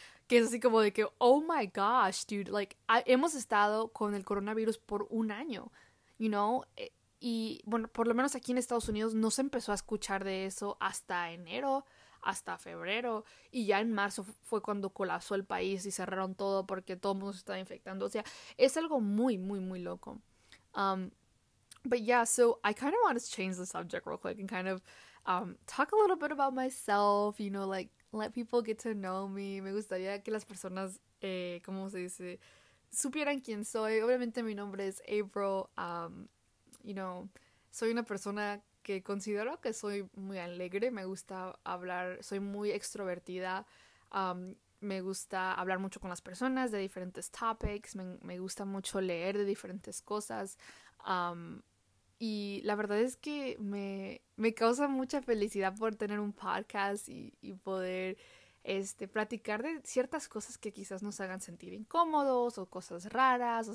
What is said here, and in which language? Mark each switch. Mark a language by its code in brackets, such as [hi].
[es] Que es así como de que, [en] oh my gosh, dude, like, [es] hemos estado con el coronavirus por un año, [en] you know? [es] Y bueno, por lo menos aquí en Estados Unidos no se empezó a escuchar de eso hasta enero, hasta febrero, y ya en marzo fue cuando colapsó el país y cerraron todo porque todo el mundo se estaba infectando. O sea, es algo muy, muy, muy loco. [en] But yeah, so I kind of want to change the subject real quick and kind of talk a little bit about myself, you know, like, let people get to know me. [es] Me gustaría que las personas, ¿cómo se dice?, supieran quién soy. Obviamente mi nombre es April. [en] You know, [es] soy una persona que considero que soy muy alegre, me gusta hablar, soy muy extrovertida, me gusta hablar mucho con las personas de diferentes topics, me gusta mucho leer de diferentes cosas, y la verdad es que me causa mucha felicidad por tener un podcast y poder platicar de ciertas cosas que quizás nos hagan sentir incómodos o cosas raras.